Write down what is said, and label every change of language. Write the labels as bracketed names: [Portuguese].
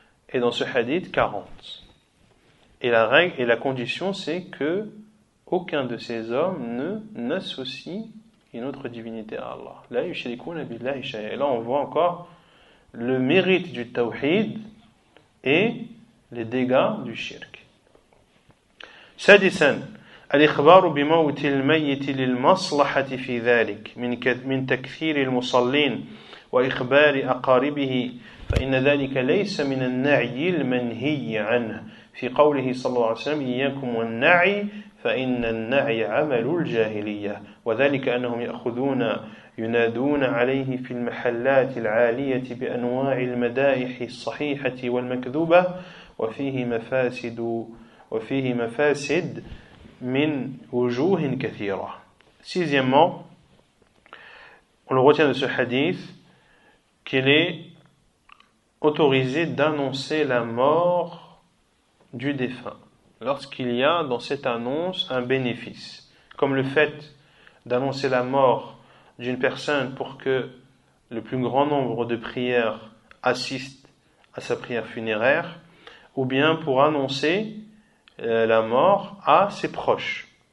[French] Et dans ce hadith, 40. Et la règle et la condition, c'est que aucun de ces hommes n'associe une autre divinité à Allah. [Arabic] La yushrikuna billahi shay'an. [French] Et là, on voit encore le mérite du tawhid et les dégâts du shirk. [Arabic] Sadisan. الإخبار بموت الميت للمصلحة في ذلك من تكثير المصلين وإخبار أقاربه فإن ذلك ليس من النعي المنهي عنه في قوله صلى الله عليه وسلم إياكم والنعي فإن النعي عمل الجاهلية وذلك أنهم يأخذون ينادون عليه في المحلات العالية بأنواع المدائح الصحيحة والمكذوبة وفيه مفاسد من وجوه كثيرة. [French] Sixièmement, on le retient de ce hadith qu'il est autorisé d'annoncer la mort du défunt lorsqu'il y a dans cette annonce un bénéfice, comme le fait d'annoncer la mort d'une personne pour que le plus grand nombre de prières assistent à sa prière funéraire, ou bien pour annoncer la mort à ses proches,